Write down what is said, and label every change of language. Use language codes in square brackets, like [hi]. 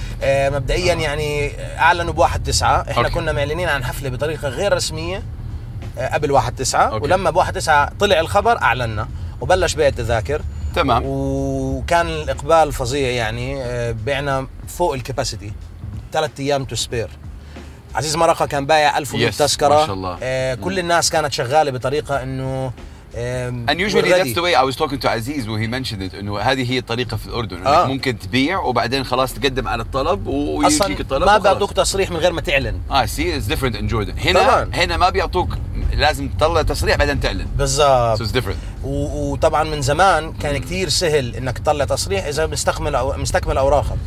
[ar] مبدئيا يعني اعلنوا ب 1/9. احنا كنا معلنين عن حفله بطريقه غير رسميه قبل 1/9. ولما ب 1/9 طلع الخبر اعلنا وبلش بيع التذاكر. تمام. وكان الاقبال فظيع, يعني بعنا فوق الكباسيتي 3 ايام تو سبير. عزيز مرقه كان بايع 1000 تذكره. ما شاء الله. كل الناس كانت شغاله بطريقه انه [en] And usually that's the way I was talking to Aziz when he mentioned it. [ar] إنه هذه هي الطريقة في الأردن. إنك ممكن تبيع وبعدين خلاص تقدم على الطلب ويجيك الطلب. ما بيعطوك تصريح من غير ما تعلن. See, it's different in Jordan. هنا طبعاً. هنا ما بيعطوك, لازم تطلع تصريح بعدين تعلن. بالضبط. [en] So it's different. [ar] وطبعاً من زمان كان كتير سهل إنك تطلع تصريح إذا مستكمل أوراقك.